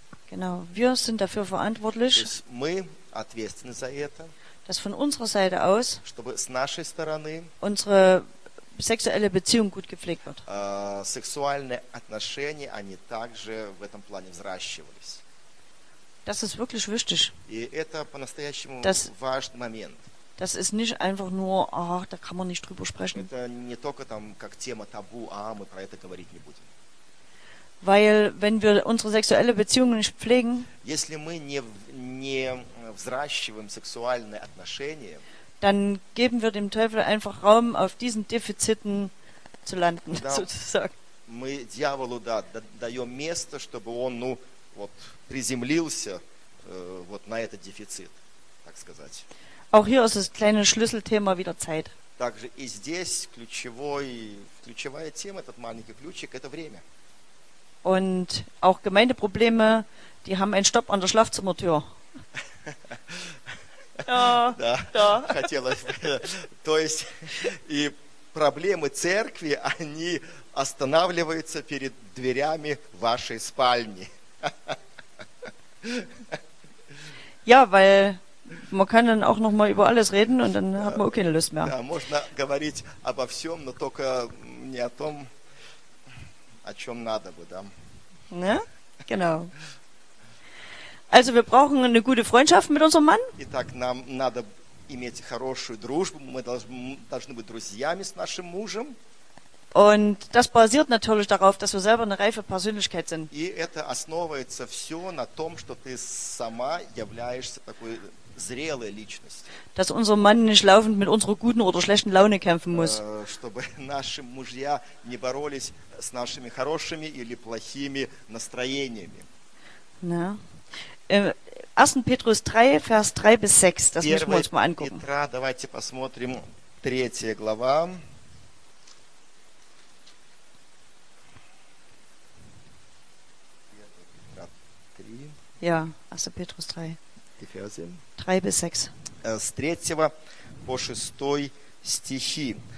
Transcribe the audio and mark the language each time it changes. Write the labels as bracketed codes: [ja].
[de] Genau, wir sind dafür verantwortlich. [ru] Мы ответственны за это. [de] Dass von unserer Seite aus [ru] чтобы с нашей стороны [de] unsere sexuelle Beziehung gut gepflegt wird. [ru] Сексуальные отношения они также в этом плане взращивались. [de] Das ist wirklich wichtig. [ru] И это по-настоящему [de] das, [ru] важный момент. [de] Das ist nicht einfach nur, ach, da kann man nicht drüber sprechen. [ru] Это не только там как тема табу, а мы про это говорить не будем. [de] Weil wenn wir unsere sexuelle Beziehung nicht pflegen, [ru] если мы не взращиваем сексуальные отношения, [de] dann geben wir dem Teufel einfach Raum, auf diesen Defiziten zu landen, [ru] да, [de] sozusagen. [ru] Мы дьяволу даем место, чтобы он, ну, вот, приземлился вот на этот дефицит, так сказать. [de] Auch hier ist das kleine Schlüsselthema wieder Zeit. [ru] Также и здесь ключевая тема, этот маленький ключик, это время. [de] Und auch Gemeindeprobleme, die haben einen Stopp an der Schlafzimmertür. [ru] Да, да. Хотелось. То есть и проблемы церкви, они останавливаются перед дверями вашей спальни. [de] Ja, weil man kann dann auch noch mal über alles reden und dann hat man auch keine Lust mehr. [ru] Да, можно говорить обо всем, но только не о том, о чем надо бы, да. [de] Ne? Genau. Also wir brauchen eine gute Freundschaft mit unserem Mann. [ru] Итак, нам надо иметь хорошую дружбу. Мы должны быть друзьями с нашим мужем. [de] Und das basiert natürlich darauf, dass wir selber eine reife Persönlichkeit sind. [ru] И это основывается все на том, что ты сама являешься такой зрелой личностью. [de] Dass unser Mann nicht laufend mit unserer guten oder schlechten Laune kämpfen muss. [ru] Чтобы наши мужья не боролись с нашими хорошими или плохими настроениями. [de] Ne? 1. Петрус 3, Vers 3 bis 6. Das müssen wir uns mal angucken. [ru] Петра, давайте посмотрим 3 глава. [de] Ja, 1. Петрус 3. Die Verse. 3 bis 6. [ru] С 3 по 6 стихи.